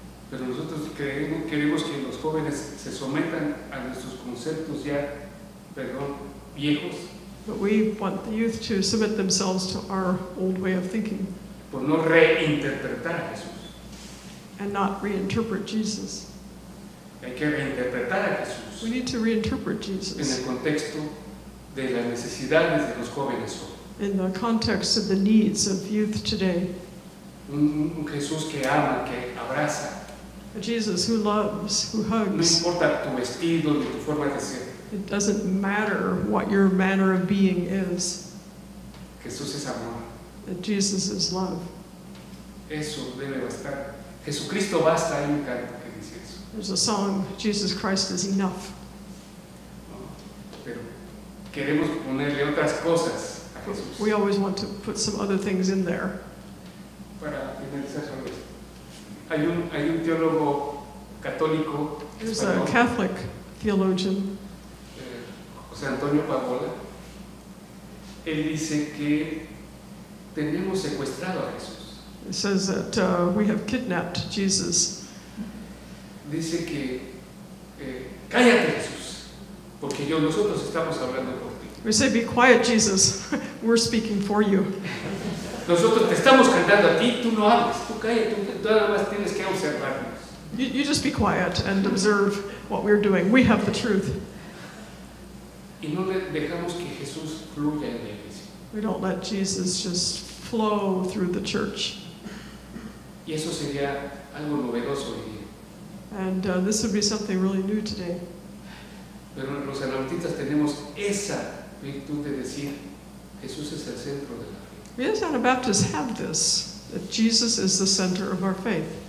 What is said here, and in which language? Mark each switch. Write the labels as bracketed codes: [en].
[es] Pero nosotros creemos, queremos que los jóvenes se sometan a nuestros conceptos ya, viejos. [en] But we want the youth to submit themselves to our old way of thinking. [es] Por no reinterpretar a Jesús. [en] And not reinterpret Jesus. [es] Hay que reinterpretar a Jesús. [en] We need to reinterpret Jesus. [es] En el contexto de las necesidades de los jóvenes hoy. [en] In the context of the needs of youth today. [es] Un Jesús que ama, que abraza. [en] A Jesus who loves, who hugs. [es] No importa tu vestido ni tu forma de ser. [en] It doesn't matter what your manner of being is. [es] Jesús es amor. [en] That Jesus is love. [es] Eso debe bastar. Jesucristo basta, hay un canto que dice eso. [en] There's a song, Jesus Christ is enough. [es] Pero queremos ponerle otras cosas a Jesús. [en] We always want to put some other things in there. [es] Para finalizar sobre esto. Hay un teólogo católico. [en] There's a Catholic theologian. [es] Antonio Paola, él dice que tenemos secuestrado a Jesús. [en] It says that we have kidnapped Jesus. [es] Dice que cállate Jesús, porque yo nosotros estamos hablando por ti. [en] We say be quiet Jesus, we're speaking for you. [es] Nosotros te estamos cantando a ti, tú no hables, tú cállate, tú nada más tienes que observarnos. [en] You just be quiet and observe what we're doing. We have the truth. [es] Y no dejamos que Jesús fluya en la iglesia. [en] We don't let Jesus just flow through the church. [es] Y eso sería algo novedoso hoy día. [en] And this would be something really new today. [es] Pero los anabautistas tenemos esa virtud de decir Jesús es el centro de la fe. [en] We as Anabaptists have this, that Jesus is the center of our faith.